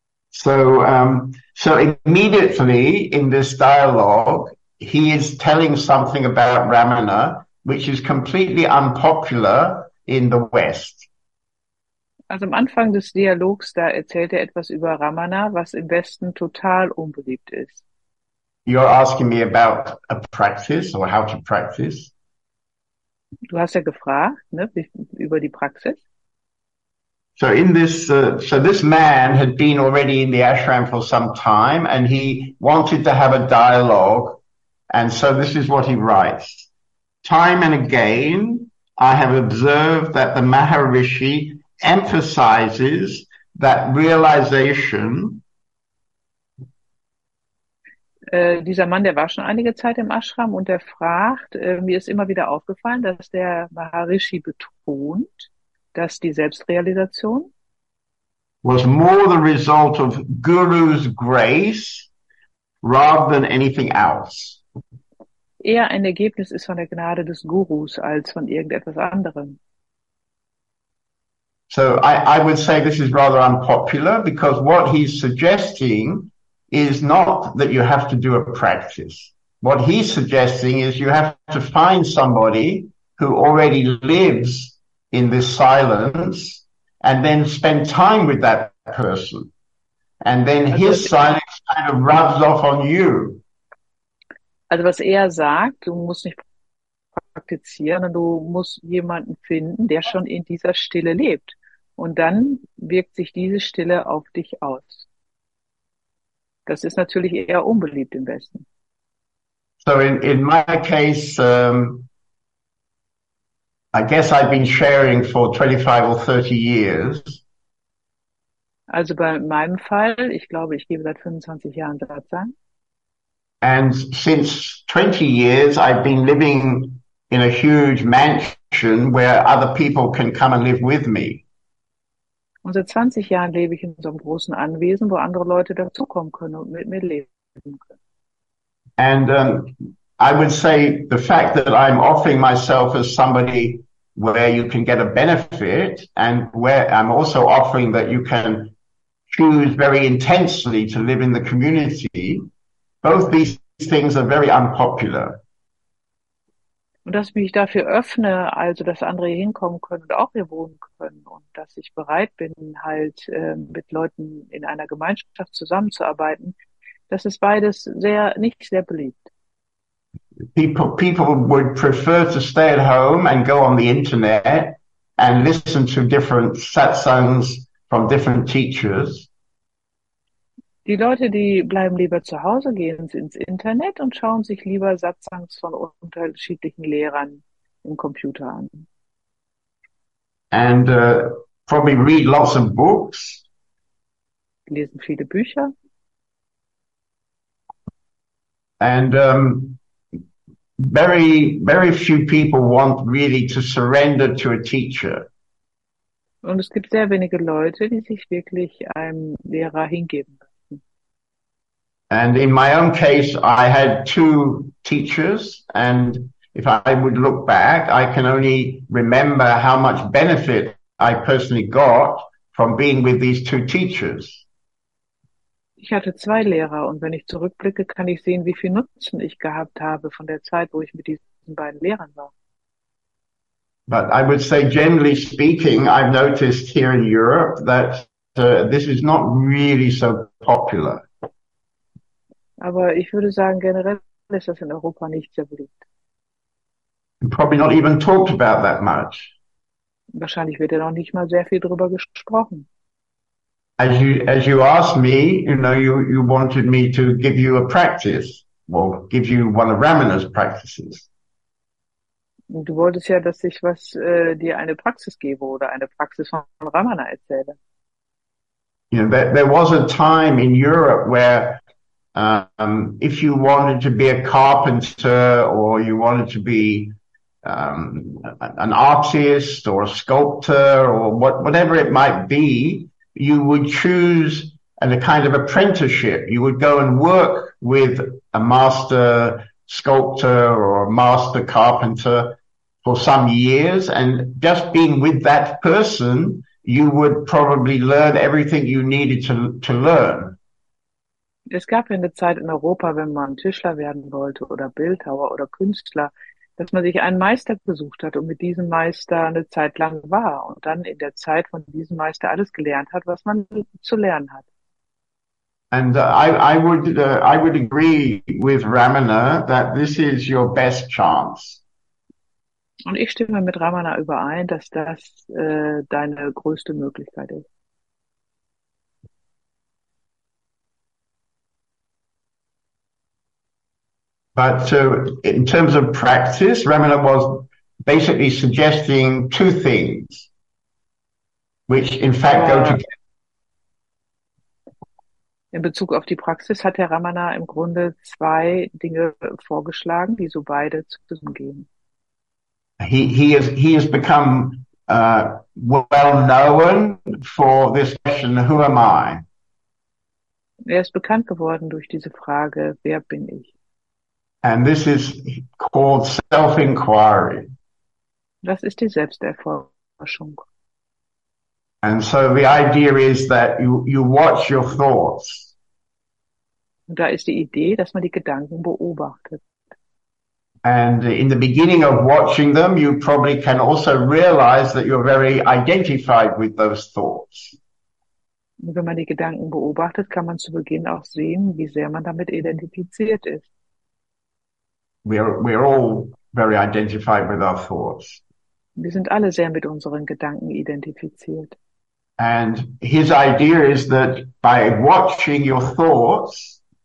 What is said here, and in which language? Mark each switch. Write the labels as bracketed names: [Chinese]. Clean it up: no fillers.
[English] So immediately in this dialogue, he is telling something about Ramana, which is completely unpopular in the West. [German] Also am Anfang des Dialogs, da erzählt er etwas über Ramana, was im Westen total unbeliebt ist. [English] You're asking me about a practice or how to practice. [German] Du hast ja gefragt, ne, über die Praxis. [English] So in this, this man had been already in the ashram for some time and he wanted to have a dialogue. And so this is what he writes. Time and again, I have observed that the Maharishi emphasizes that realization. [German] Dieser Mann, der war schon einige Zeit im Ashram und der fragt, mir ist immer wieder aufgefallen, dass der Maharishi betont, dass die Selbstrealisation [English] was more the result of Guru's grace rather than anything else. [German] Eher ein Ergebnis ist von der Gnade des Gurus als von irgendetwas anderem. [English] So I would say this is rather unpopular, because what he's suggesting is not that you have to do a practice. What he's suggesting is you have to find somebody who already lives in this silence and then spend time with that person. And then his silence kind of rubs off on you. [German] Also was er sagt, du musst nicht praktizieren, du musst jemanden finden, der schon in dieser Stille lebt. Und dann wirkt sich diese Stille auf dich aus. Das ist natürlich eher unbeliebt im Westen. [English] So in my case, I guess I've been sharing for 25 or 30 years. [German] Also bei meinem Fall, ich glaube, ich gebe seit 25 Jahren Satsang. [English] And since 20 years, I've been living in a huge mansion where other people can come and live with me. [German] Und seit 20 Jahren lebe ich in so einem großen Anwesen, wo andere Leute dazukommen können und mit mir leben können. [English] And I would say the fact that I'm offering myself as somebody where you can get a benefit, and where I'm also offering that you can choose very intensely to live in the community, both these things are very unpopular. [German] Und dass ich mich dafür öffne, also dass andere hier hinkommen können und auch hier wohnen können, und dass ich bereit bin, halt mit Leuten in einer Gemeinschaft zusammenzuarbeiten, das ist beides sehr, nicht sehr beliebt. [English] People would prefer to stay at home and go on the internet and listen to different satsangs from different teachers. [German] Die Leute, die bleiben lieber zu Hause, gehen ins Internet und schauen sich lieber Satsangs von unterschiedlichen Lehrern im Computer an. [English] And probably read lots of books. [German] Die lesen viele Bücher. [English] And very, very few people want really to surrender to a teacher. [German] Und es gibt sehr wenige Leute, die sich wirklich einem Lehrer hingeben. [English] And in my own case, I had two teachers, and if I would look back, I can only remember how much benefit I personally got from being with these two teachers. [German] Ich hatte zwei Lehrer, und wenn ich zurückblicke, kann ich sehen, wie viel Nutzen ich gehabt habe von der Zeit, wo ich mit diesen beiden Lehrern war. [English] But I would say, generally speaking, I've noticed here in Europe that this is not really so popular. [German] Aber ich würde sagen, generell ist das in Europa nicht sehr beliebt. [English] Probably not even talked about that much. [German] Wahrscheinlich wird ja noch nicht mal sehr viel darüber gesprochen. [English] As you asked me, you know, you wanted me to give you a practice, or give you one of Ramana's practices. [German] Du wolltest ja, dass ich was dir eine Praxis gebe oder eine Praxis von Ramana erzähle. [English] You know, there was a time in Europe where if you wanted to be a carpenter, or you wanted to be an artist or a sculptor or whatever it might be, you would choose a kind of apprenticeship. You would go and work with a master sculptor or a master carpenter for some years, and just being with that person, you would probably learn everything you needed to learn. [German] Es gab ja eine Zeit in Europa, wenn man Tischler werden wollte oder Bildhauer oder Künstler, dass man sich einen Meister gesucht hat und mit diesem Meister eine Zeit lang war und dann in der Zeit von diesem Meister alles gelernt hat, was man zu lernen hat. [English] And I would agree with Ramana that this is your best chance. [German] Und ich stimme mit Ramana überein, dass das deine größte Möglichkeit ist. [English] But in terms of practice, Ramana was basically suggesting two things, which in fact go together. [German] In Bezug auf die Praxis hat Herr Ramana im Grunde zwei Dinge vorgeschlagen, die so beide zusammengehen. [English] He has become well known for this question, who am I? [German] Er ist bekannt geworden durch diese Frage, wer bin ich? [English] And this is called self-inquiry. [German] Das ist die Selbsterforschung. [English] And so the idea is that you watch your thoughts. [German] Und da ist die Idee, dass man die Gedanken beobachtet. [English] And in the beginning of watching them, you probably can also realize that you're very identified with those thoughts. [German] Und wenn man die Gedanken beobachtet, kann man zu Beginn auch sehen, wie sehr man damit identifiziert ist. [English] We're all very identified with our thoughts. [German] Wir sind alle sehr mit unseren Gedanken identifiziert. [English] And his idea is that by watching your thoughts,